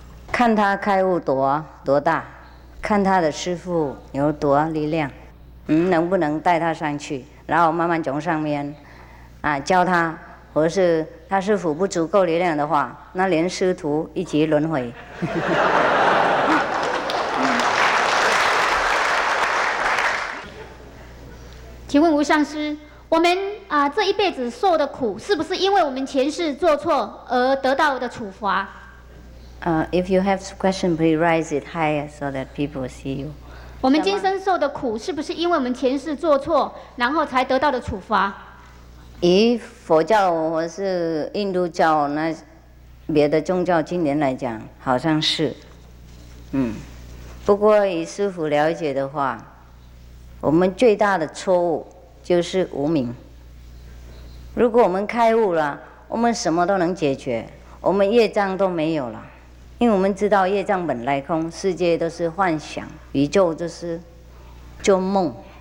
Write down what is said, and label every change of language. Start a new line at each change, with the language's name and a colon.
Chinese: 看他开悟多大看他的师父有多力量能不能带他上去然后慢慢从上面教他或是他师父不足够力量的话那连师徒一起轮回请问无上师我们这一辈子受的苦是不是因为我们前世做错而得到的处罚
English: If you have a question, please raise it higher so that people see you.
Chinese: 我们今生受的苦是不是因为我们前世做错然后才得到的处罚以佛教或是印度教那别的宗教经典来讲好像是不过以师父了解的话我们最大的错误就是无明如果我们开悟了我们什么都能解决我们业障都没有了因为我们知道业障本来空世界都是幻想宇宙就是做梦